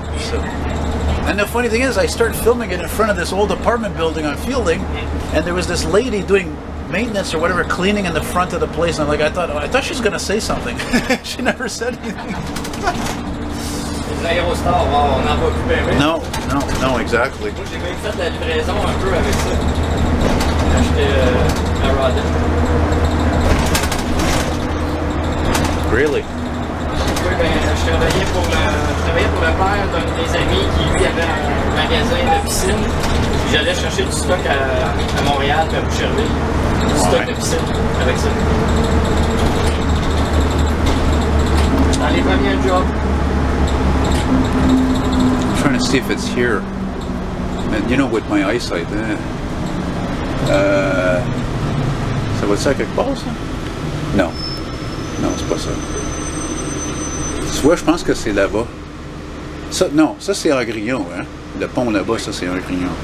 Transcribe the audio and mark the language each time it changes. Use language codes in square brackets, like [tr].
[en] So, and the funny thing is, I started filming it in front of this old apartment building on Fielding, and there was this lady doing maintenance or whatever, cleaning in the front of the place. And I'm like, I thought she was gonna say something. She never said anything. [fr] les aérostars, on en voit plus bien. [en] No, exactly. [fr] Moi, j'ai même fait la livraison un peu avec ça. Quand j'étais à Rodden. [en] Really? [fr] Je travaillais pour le père d'un de mes amis qui lui avait un magasin de piscine. Puis j'allais chercher du stock à Montréal pour Boucherville. Stock de piscine avec ça. Dans les premiers jobs. [en] I'm trying to see if it's here. And you know, with my eyesight, so what's that, [fr] quelque part, ça? [en] No, [fr] c'est pas ça. Tu vois, je pense que c'est là-bas. Ça, non, ça c'est un grillon, hein? Le pont là-bas, ça c'est un grillon.